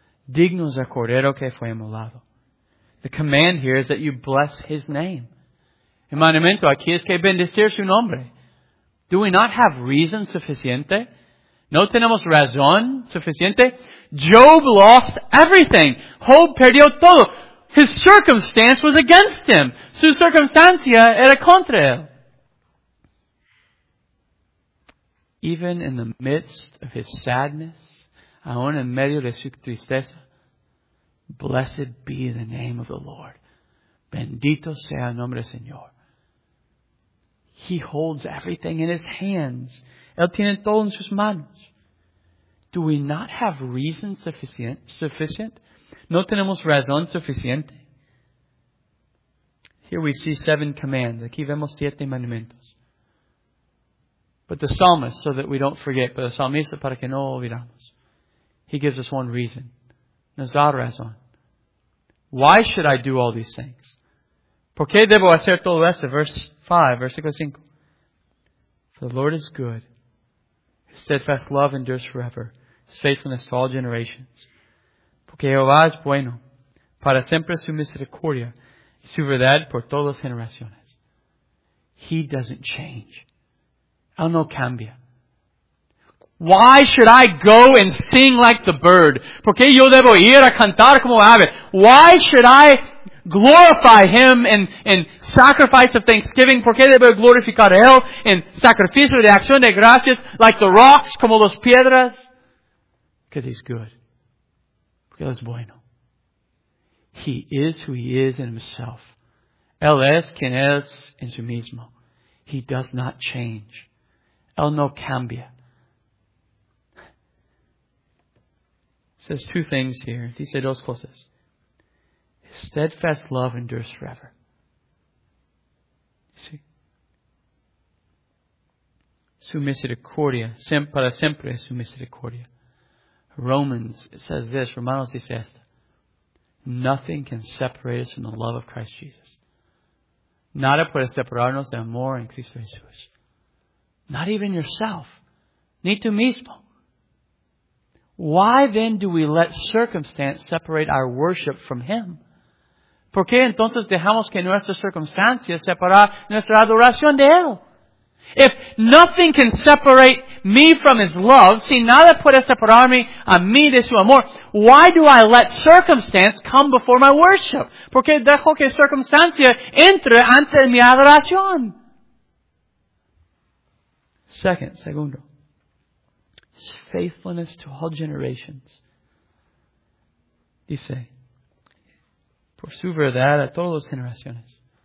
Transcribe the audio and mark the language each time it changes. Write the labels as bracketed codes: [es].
[es] Digno es el cordero que fue inmolado. [en] The command here is that you bless His name. [es] El mandamiento aquí es que bendecir su nombre. [en] Do we not have reason [es] suficiente? ¿No tenemos razón suficiente? [en] Job lost everything. [es] Job perdió todo. [en] His circumstance was against him. [es] Su circunstancia era contra él. [en] Even in the midst of his sadness, [es] aún en medio de su tristeza, [en] blessed be the name of the Lord. [es] Bendito sea el nombre del Señor. [en] He holds everything in His hands. [es] Él tiene todo en sus manos. [en] Do we not have reason sufficient? [es] ¿No tenemos razón suficiente? [en] Here we see 7 commands. [es] Aquí vemos 7 mandamientos. [en] But the psalmist, so that we don't forget, but the psalmista [es] para que no olvidamos, [en] he gives us one reason. [es] Nos da razón. [en] Why should I do all these things? [es] ¿Por qué debo hacer todo esto? [en] Verse 5. For the Lord is good. His steadfast love endures forever. His faithfulness to all generations. [es] Porque Jehová es bueno. Para siempre su misericordia. Y su verdad por todas las generaciones. [en] He doesn't change. [es] Él no cambia. [en] Why should I go and sing like the bird? [es] Porque yo debo ir a cantar como ave. [en] Why should I glorify Him in sacrifice of thanksgiving? [es] ¿Por qué debe glorificar a Él en sacrificio de acción de gracias [en] like the rocks, [es] como las piedras? [en] Because He's good. [es] Porque Él es bueno. [en] He is who He is in Himself. [es] Él es quien es en su mismo. [en] He does not change. [es] Él no cambia. [en] It says 2 things here. [es] Dice 2 cosas. [en] steadfast love endures forever. See? [es] Su misericordia, para siempre su misericordia. [en] Romans says this, [es] Romanos dice esto. [en] Nothing can separate us from the love of Christ Jesus. [es] Nada puede separarnos del amor en Cristo Jesús. [en] Not even yourself. [es] Ni tú mismo. [en] Why then do we let circumstance separate our worship from Him? [es] ¿Por qué entonces dejamos que nuestras circunstancias separen nuestra adoración de Él? [en] If nothing can separate me from His love, [es] si nada puede separarme a mí de su amor, [en] why do I let circumstance come before my worship? [es] ¿Por qué dejo que circunstancia entre ante mi adoración? Segundo. [en] His faithfulness to all generations. [es] Dice, por su verdad a todas las generaciones.